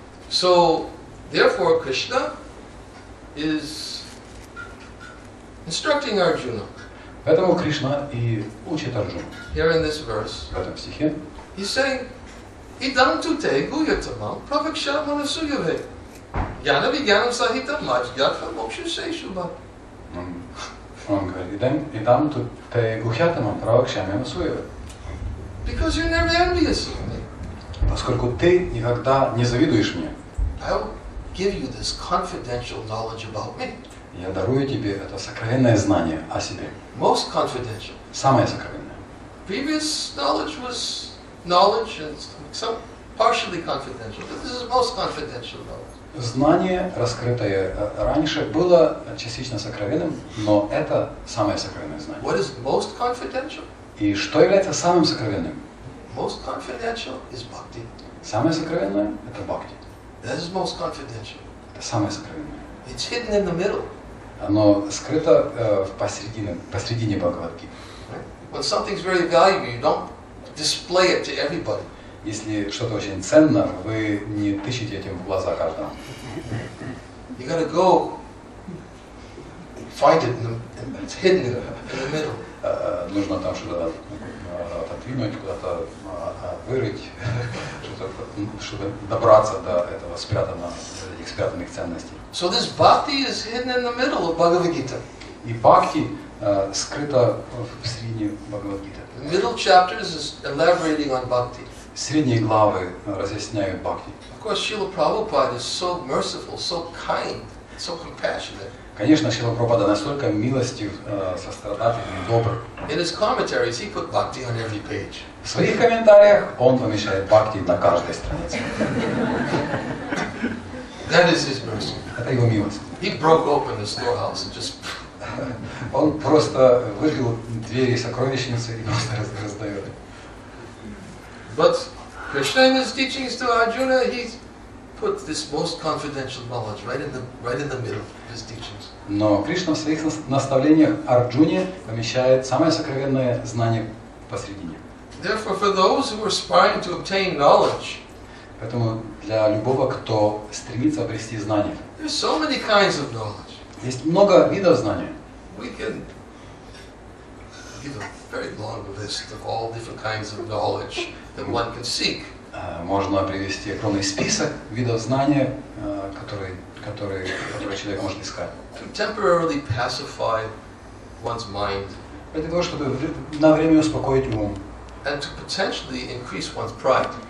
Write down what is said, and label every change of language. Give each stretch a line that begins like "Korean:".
English: So, therefore, Krishna is instructing Arjuna.
Russian: Поэтому Кришна и учит Арджуну.
English: Here in this verse,
Russian: в этом стихе.
English: He's saying,
Sanskrit: Idantute guyatamam pravakshamanasuyave jnana vijnanam sahitam majjyatva mokshaseshubha.
Russian: Он говорит,
Sanskrit: идам туте гухятамам правакшамянасуеве.
English: Because you're never envious of me.
Russian: Поскольку ты никогда не завидуешь мне.
English: I'll give you this confidential knowledge about me.
Russian: Я дарую тебе это сокровенное знание о себе.
English: Most confidential.
Russian: Самое сокровенное.
English: Previous knowledge was knowledge and some partially confidential, but this is most confidential knowledge.
Russian: Знание, раскрытое раньше, было частично сокровенным, но это самое сокровенное знание.
English: What is most confidential?
Russian: И что является самым сокровенным?
English: Most confidential is bhakti.
Russian: Самое сокровенное – это бхакти.
English: That is most confidential.
Russian: Это самое сокровенное.
English: It's hidden in the middle.
Russian: Оно скрыто посередине Бхагавадги.
English: When something's very valuable, you don't display it to everybody.
Russian: Если что-то очень ценно, вы не тыщите этим в глаза каждому.
English: You gotta go find it in the middle.
Russian: Нужно там что-то отодвинуть, куда-то вырыть, чтобы добраться до этого спрятанных ценностей.
English: So this bhakti is hidden in the middle of Bhagavad Gita.
Russian: И бхакти скрыта в середине Бхагавад Гиты.
English: The middle chapters is elaborating on bhakti.
Russian: Средние главы разъясняют бхакти.
English: Of course, Srila Prabhupada is so merciful, so kind, so compassionate.
Russian: Конечно, Srila Prabhupada настолько милостив, сострадательный, добр.
English: In his commentaries, he put bhakti on every page.
Russian: В своих комментариях он помещает бхакти на каждой странице.
English: That is his mercy.
Russian: Это его милость.
English: He broke open the storehouse and just.
Russian: Он просто выбил двери сокровищницы и просто раздает.
English: But Krishna in his teachings to Arjuna, he put this most confidential knowledge right in the middle of his teachings.
Russian: Но Кришна в своих наставлениях Арджуне помещает самое сокровенное знание посередине.
English: Therefore, for those who are aspiring to obtain knowledge,
Russian: поэтому для любого, кто стремится обрести знание,
English: there's so many kinds of knowledge.
Russian: Есть много видов знания.
English: We can give a very long list of all different kinds of knowledge. That one can seek.
Russian: Можно привести огромный список видов знания, которые человек может искать.
English: To temporarily pacify one's mind.
Russian: Для того, чтобы на время успокоить ум.
English: And to potentially increase one's pride.